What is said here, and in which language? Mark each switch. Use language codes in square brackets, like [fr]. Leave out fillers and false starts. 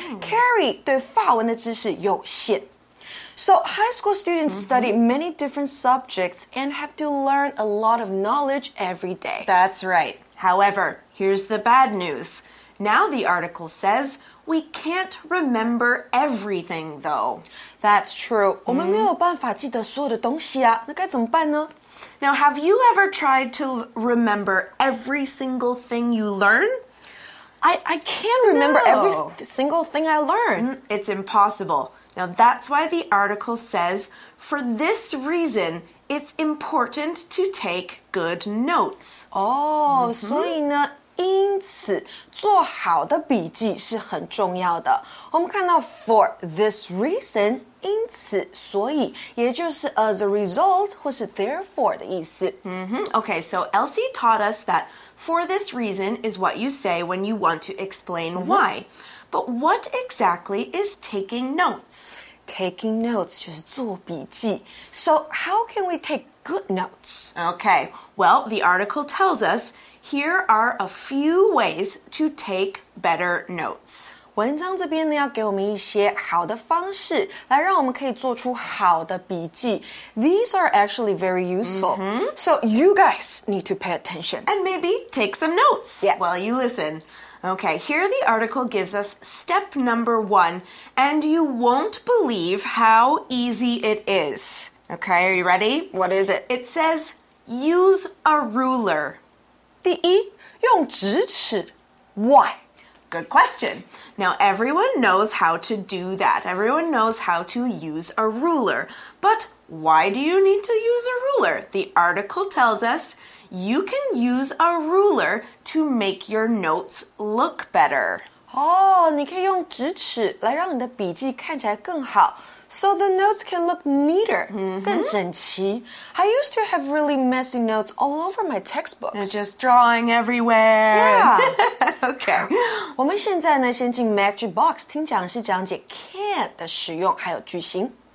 [en] Carrie [zh] 对法文的知识有限。 [en] So, high school students study many different subjects and have to learn a lot of knowledge every day. That's right. However, here's the bad news. Now the article says, we can't remember everything, though. That's true. [zh] 我们没有办法记得所有的东西啊。那该怎么办呢？ [en] Now, have you ever tried to remember every single thing you learn? I can't remember every single thing I learn. It's impossible. Now, that's why the article says, for this reason, it's important to take good notes. [zh] So, 因此做好的笔记是很重要的。我们看到 [en] for this reason, [zh] 因此所以也就是 [en] as a result [zh] 或是 therefore 的意思、 [en] Okay, so Elsie taught us that for this reason is what you say when you want to explain why. But what exactly is taking notes? Taking notes [zh] 就是做笔记。 [en] So how can we take good notes? Okay, well, the article tells us here are a few ways to take better notes. [zh] 文章这边呢要给我们一些好的方式来让我们可以做出好的笔记。 [en] These are actually very useful. So you guys need to pay attention. And maybe take some notes、while you listen. Okay, here the article gives us step number one, and you won't believe how easy it is. Okay, are you ready? What is it? It says, use a ruler. [zh] 第一，用直尺。Why? [en] Good question. Now, everyone knows how to do that. Everyone knows how to use a ruler. But why do you need to use a ruler? The article tells us, you can use a ruler to make your notes look better. [zh] Oh, 你可以用直尺来让你的笔记看起来更好。 [en] So the notes can look neater, [zh] 更整齐。 [en] I used to have really messy notes all over my textbooks. They're just drawing everywhere. Yeah. Okay. [zh] 我们现在呢，先进 Magic Box 听讲师讲解 can 的使用还有句型。